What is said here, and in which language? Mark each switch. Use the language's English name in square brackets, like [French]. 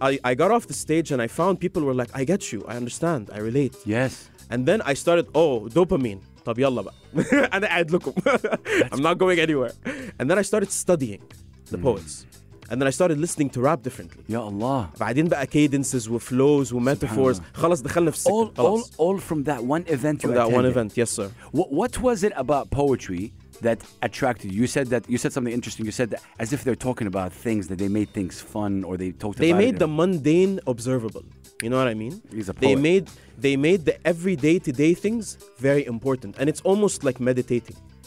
[English] I got off the stage and I found people were like, I get you. I understand. I relate. Yes. And then I started, oh, dopamine. طب يلا بقى. أنا قاعد لكم. I'm not going anywhere. And then I started studying the poets. And then I started listening to rap differently. [Arabic] Ya Allah. بعدين بقى cadences وflows ومetaphors. خلاص دخلنا في السكة. [English] All from that one event you From that one event, yes sir. What was it about poetry that attracted you? You said something interesting. You said that as if they're talking about things that they made things fun or they talked about. They made the mundane observable. You know what I mean? He's a poet. They made the everyday to day things very important. And it's almost like meditating.